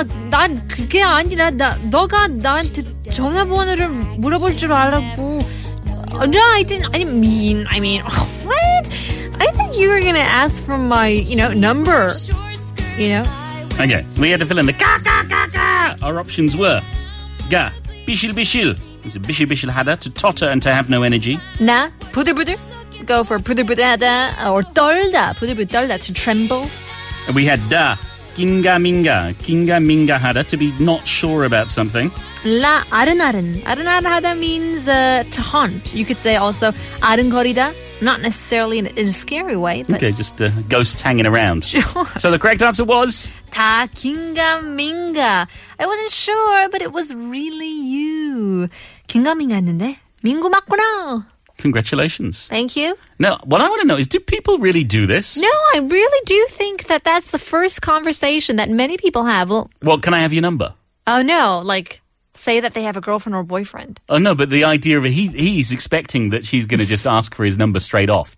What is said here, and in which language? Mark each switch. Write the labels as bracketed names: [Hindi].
[Korean] 난 그게 아니라 너가 나한테 전화번호를 물어볼 줄 알았고. [English] No, I didn't. I mean, what? I think you were going to ask for my, you know, number, you know? Okay, we had to fill in the ka, ka, ka, ka. Our options were ga, bishil, bishil. It's a bishy bishy hada, to totter and to have no energy. Na, puder puder. Go for puder puder hada, or dolda. Puder puder dolda, to tremble. And we had da, kinga minga. Kinga minga hada, to be not sure about something. La, arun arun. Arun arun hada means to haunt. You could say also arun gorida. Not necessarily in a scary way, but. Okay, just ghosts hanging around. Sure. So the correct answer was? Ta kinga minga. I wasn't sure, but it was really you. [Korean] 긴가민가했는데 민구 맞구나. [English] Congratulations. Thank you. Now, what I want to know is, do people really do this? No, I really do think that that's the first conversation that many people have. Well, can I have your number? Oh, no. Like, say that they have a girlfriend or a boyfriend. Oh, no, but the idea of it, he's expecting that she's going to just ask for his number straight off.